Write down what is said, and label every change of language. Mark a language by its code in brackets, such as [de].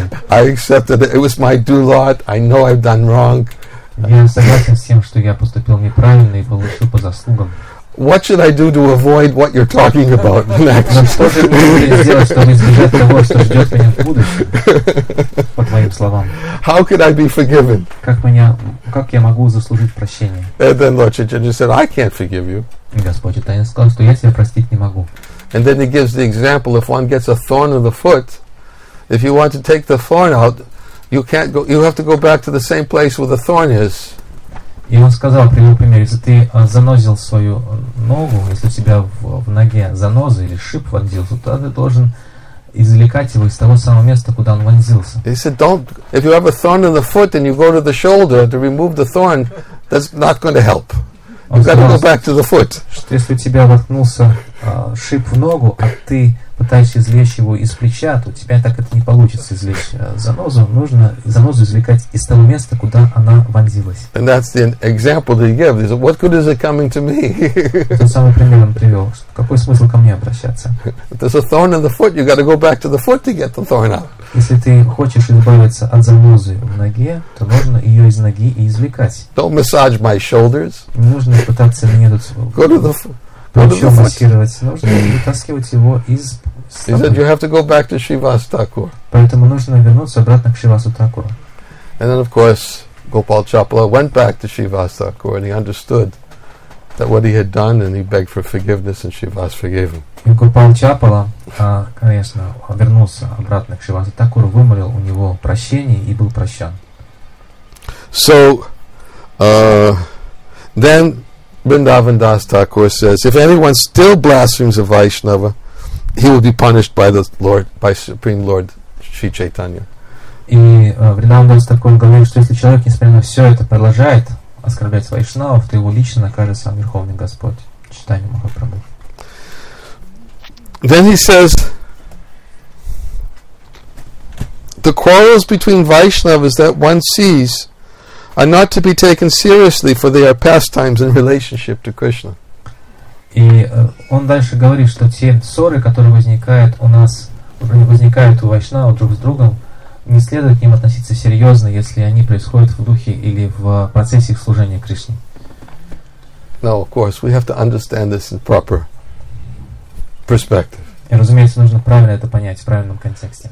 [en] I accept that it was my due lot, I know I've done wrong. [ru] Я согласен с тем, что я поступил неправильно и получил по заслугам. [en] What should I do to avoid what you're talking about next? [ru] Что же мне сделать, чтобы избежать того, что ждет меня в будущем? По твоим словам. [en] How could I be forgiven? [ru] Как я могу заслужить прощение? [en] And then Lord Chaitanya said, I can't forgive you. [ru] Господь Чайтанья сказал, что я себя простить не могу. [en] And then he gives the example, if one gets a thorn in the foot, if you want to take the thorn out, you can't go. You have to go back to the same place where the thorn is. [ru] И он сказал, пример, если ты занозил свою ногу, если у тебя в ноге заноза или шип вонзился, то ты должен извлекать его из того самого места, куда он вонзился. [en] He said, "Don't. If you have a thorn in the foot and you go to the shoulder to remove the thorn, that's not going to help. You got to go back to the foot." [ru] Что если у тебя воткнулся шип в ногу, а ты пытаешься извлечь его из плеча, то у тебя так это не получится извлечь занозу. Нужно занозу извлекать из того места, куда она вонзилась. [en] And that's the example that he gave. What good is it coming to me? [ru] Тот самый пример он привел. Какой смысл ко мне обращаться? [en] If there's a thorn in the foot, you got to go back to the foot to get the thorn out. [ru] Если ты хочешь избавиться от занозы в ноге, то нужно ее из ноги и извлекать. [en] Don't massage my shoulders. [ru] Нужно пытаться мне тут. [en] Go to the foot. [ru] Причем массировать нужно и вытаскивать его из стопы. [en] He said, you have to go back to Shivas Thakur. [ru] Поэтому нужно вернуться обратно к Шивасу Такуру. [en] And then, of course, Gopal Chapala went back to Shivas Thakur and he understood that what he had done and he begged for forgiveness and Shivas forgave him. [ru] И Гопал Чапала, конечно, вернулся обратно к Шивасу Такуру, вымолил у него прощение и был прощен. [en] So, then Vrindavan Das Thakur says, if anyone still blasphemes a Vaishnava, he will be punished by the Lord, by Supreme Lord Sri Chaitanya. [ru] И Vrindavan Das Thakur говорит, что если человек, несмотря на все это, продолжает оскорблять Вайшнавов, то его лично накажет сам Верховный Господь Чайтанья Махапрабху. [en] Then he says, the quarrels between Vaishnavas that one sees are not to be taken seriously, for they are pastimes in relationship to Krishna. [ru] И он дальше говорит, что те ссоры, которые возникают у нас, возникают у вайшнава друг с другом, не следует к ним относиться серьезно, если они происходят в духе или в процессе их служения Кришне. [en] No, of course, we have to understand this in proper perspective. [ru] И, разумеется, нужно правильно это понять в правильном контексте.